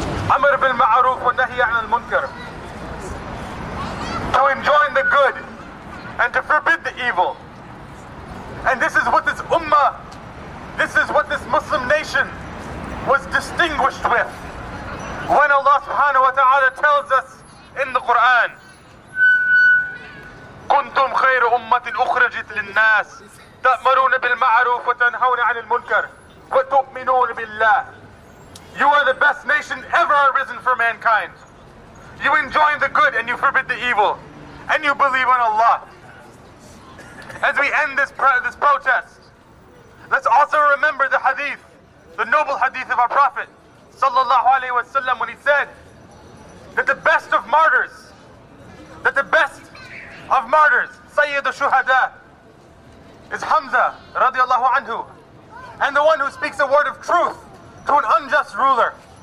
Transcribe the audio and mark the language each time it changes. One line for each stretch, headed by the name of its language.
Arabic: Amr bil ma'aruf wa nahi an al-munkar.
English: To enjoin the good and to forbid the evil. And this is what this ummah, this is what this Muslim nation was distinguished with. When Allah subhanahu wa ta'ala tells us in the Quran,
Arabic: كنتم خير أمة أخرجت للناس تأمرون بالمعروف وتنهون عن المنكر وتؤمنون بالله.
English: You are the best nation ever arisen for mankind. You enjoin the good and you forbid the evil. And you believe in Allah. As we end this protest, let's also remember the hadith, the noble hadith of our Prophet sallallahu alaihi wasallam, when he said that the best of martyrs, that the best of martyrs, Sayyid al-Shuhada, is Hamza radiallahu anhu, and the one who speaks a word of truth to an unjust ruler.